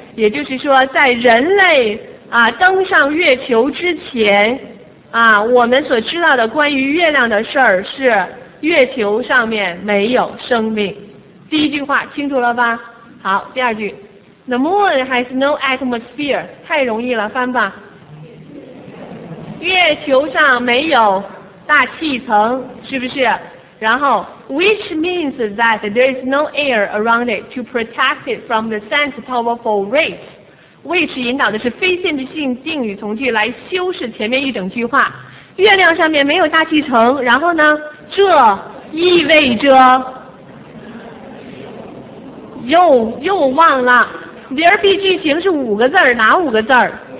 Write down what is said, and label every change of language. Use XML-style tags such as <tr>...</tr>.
<zh>也就是说，在人类啊登上月球之前，啊，我们所知道的关于月亮的事儿是月球上面没有生命。第一句话清楚了吧？好，第二句 ，</zh> <en>The moon has no atmosphere，</en> <zh>太容易了，翻吧。月球上没有大气层，是不是？然后</zh> <en>，which means that there is no air around it to protect it from the sun's powerful rays。</en> <zh>which 引导的是非限制性定语从句来修饰前面一整句话。月亮上面没有大气层，然后呢？这意味着又忘了 ，</zh> <en>there be</en> <zh>句型是五个字儿，哪五个字儿？</zh>